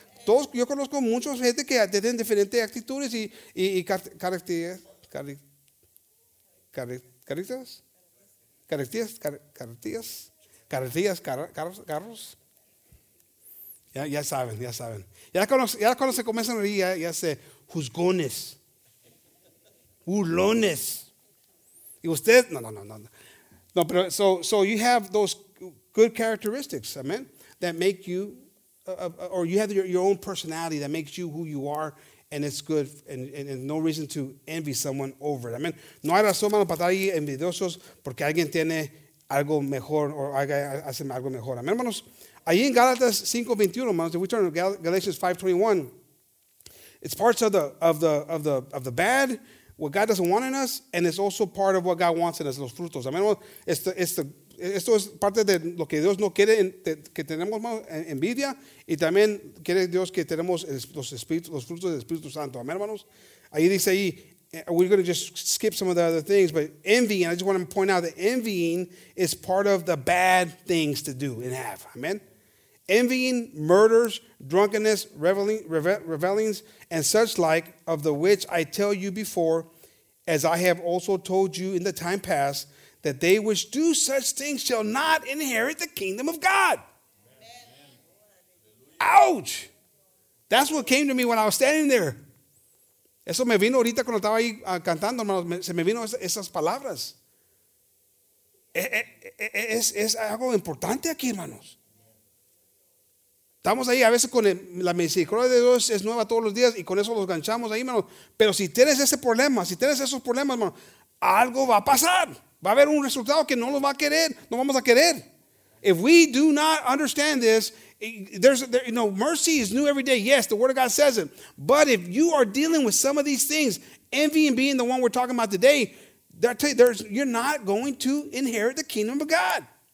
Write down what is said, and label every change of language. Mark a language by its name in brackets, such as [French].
[Spanish] Todos, yo conozco muchos gente que tienen diferentes actitudes y carros. Ya saben. Ya cuando se comienzan a reír, ya sé, juzgones. Burlones. Y usted, no, pero [English] so you have those good characteristics, amen, that make you, or you have your own personality that makes you who you are, and it's good, and no reason to envy someone over it, amen. [Spanish] No hay razón para estar ahí envidiosos porque alguien tiene algo mejor o hace algo mejor, amen, hermanos. Ahí en Gálatas 5:21, hermanos, [English] if we turn to Galatians 5:21, it's parts of the bad, what God doesn't want in us, and it's also part of what God wants in us, [Spanish] los frutos. Amén. Esto es parte de lo que Dios no quiere que tenemos envidia, y también quiere Dios que tenemos los frutos del Espíritu Santo. Amén, hermanos. Ahí dice ahí, [English] we're going to just skip some of the other things, but envying, I just want to point out that envying is part of the bad things to do and have. Amén. Envying, murders, drunkenness, revelings, and such like, of the which I tell you before, as I have also told you in the time past, that they which do such things shall not inherit the kingdom of God. Amen. Ouch! That's what came to me when I was standing there. [Spanish] Eso me vino ahorita cuando estaba ahí cantando, hermanos. Se me vino esas palabras. Es algo importante aquí, hermanos. Estamos ahí a veces con la misericordia de Dios es nueva todos los días y con eso los ganchamos ahí, hermano. Pero si tienes ese problema, si tienes esos problemas, hermano, algo va a pasar. Va a haber un resultado que no lo va a querer, no vamos a querer. [English] If we do not understand this, mercy is new every day. Yes, the word of God says it. But if you are dealing with some of these things, envy and being the one we're talking about today, you're not going to inherit the kingdom of God.